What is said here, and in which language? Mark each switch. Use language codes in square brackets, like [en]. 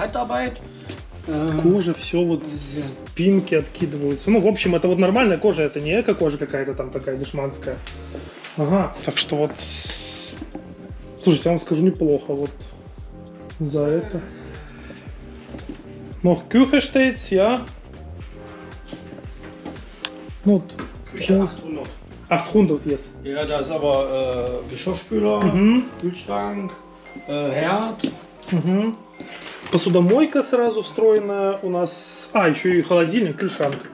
[de] Handarbeit. [ru] Кожа, все вот спинки откидываются. Ну, в общем, это вот нормальная кожа, это не эко-кожа какая-то там такая дешманская. Ага, так что вот... Слушайте, я вам скажу, неплохо вот за это. Но [de] Küche steht, ja. [ru] Ну, вот... [de] Küche 800. [en] 800, yes. [de] Ja, da ist aber Geschirrspüler, Kühlschrank, Herd. [ru] Посудомойка сразу встроена у нас. А, еще и холодильник, кюльшанг.